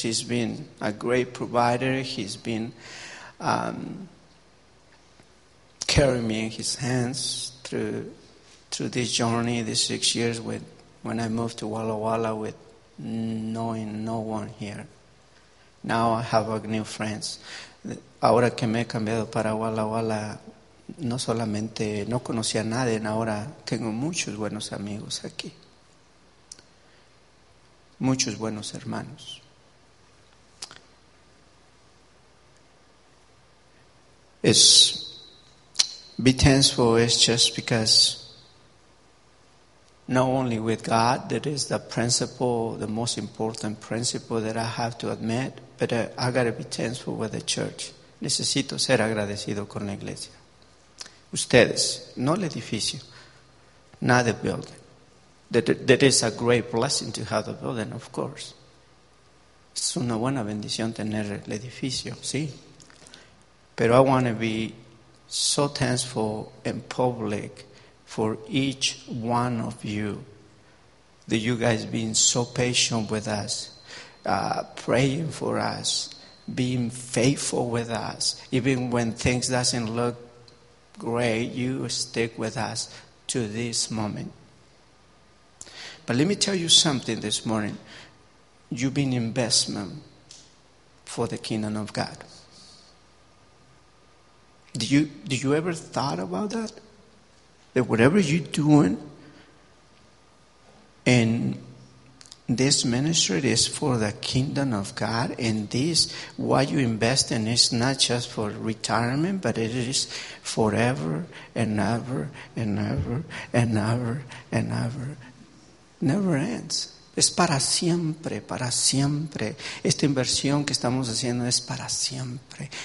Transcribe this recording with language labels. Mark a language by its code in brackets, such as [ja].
[en] He's been a great provider. He's been carrying me in his hands through this journey, these 6 years, when I moved to Walla Walla with knowing no one here. Now I have a new friends. [es] Ahora que me he cambiado para Walla Walla, no solamente no conocía a nadie, ahora tengo muchos buenos amigos aquí. Muchos buenos hermanos. [en] It's be thankful is just because not only with God, that is the principle, the most important principle that I have to admit, but I got to be thankful with the church. [es] Necesito ser agradecido con la iglesia. Ustedes, no el edificio, [en] not the building. That is a great blessing to have the building, of course. [es] Es una buena bendición tener el edificio, sí. Pero [en] I want to be so thankful in public for each one of you, that you guys being so patient with us, praying for us, being faithful with us. Even when things doesn't look great, you stick with us to this moment. But let me tell you something this morning. You've been investment for the kingdom of God. Do you ever thought about that? That whatever you're doing, and This ministry is for the kingdom of God, and this, what you invest in, is not just for retirement, but it is forever and ever and ever and ever and ever. Never ends. [es] Es para siempre, para siempre. Esta inversión que estamos haciendo es para siempre.